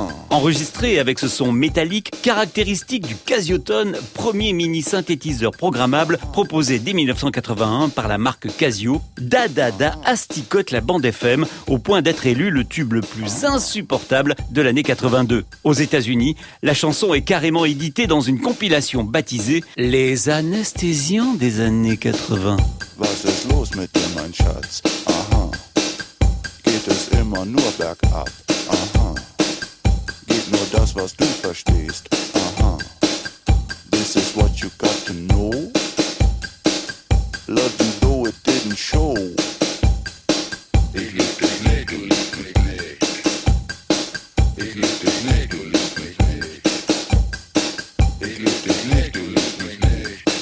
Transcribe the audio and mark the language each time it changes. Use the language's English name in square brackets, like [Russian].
[French] Enregistré avec ce son métallique, caractéristique du Casiotone, premier mini synthétiseur programmable proposé dès 1981 par la marque Casio, Da Da Da asticote la bande FM au point d'être élu le tube le plus insupportable de l'année 82. Aux États-Unis, la chanson est carrément éditée dans une compilation baptisée « Les anesthésiants des années 80 ». [German] Was ist los mit dir, mein Schatz? Aha. Geht es immer nur bergab? Aha. Geht nur das, was du verstehst? Aha. [English] This is what you got to know? Love you though it didn't show. [German] Ich lieb dich nicht, du liebst mich nicht. Ich lieb dich nicht, du liebst mich nicht. Ich lieb dich nicht, du liebst mich nicht.